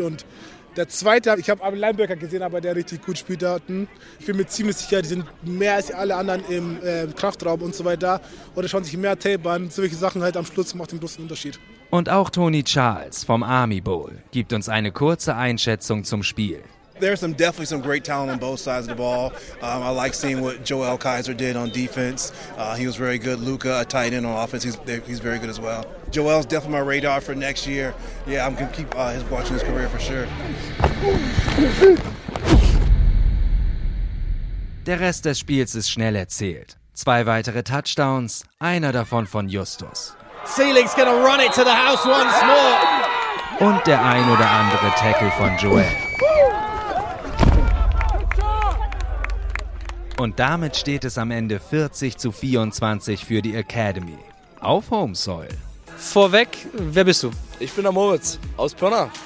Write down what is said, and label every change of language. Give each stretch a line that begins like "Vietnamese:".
German: Und der zweite, ich habe einen Linebacker gesehen, aber der richtig gut spielt. Ich bin mir ziemlich sicher, die sind mehr als alle anderen im Kraftraum und so weiter. Oder schauen sich mehr Tape an. Solche Sachen halt am Schluss macht den großen Unterschied. Und auch Tony Charles vom Army Bowl gibt uns eine kurze Einschätzung zum Spiel.
English: There's definitely some great talent on both sides of the ball. I like seeing what Joel Kaiser did on defense. He was very good. Luca, a tight end on offense, he's very good as well. Joel's definitely my radar for next year. Yeah, I'm going to keep watching his career for sure.
German: Der Rest des Spiels ist schnell erzählt. Zwei weitere Touchdowns, einer davon von Justus.
English: Ceiling's gonna run it to the house once more.
German: Und der ein oder andere Tackle von Joel. Und damit steht es am Ende 40-24 für die Academy. Auf
English: Home Soil.
German: Vorweg, wer bist du? Ich bin der Moritz aus Pirna.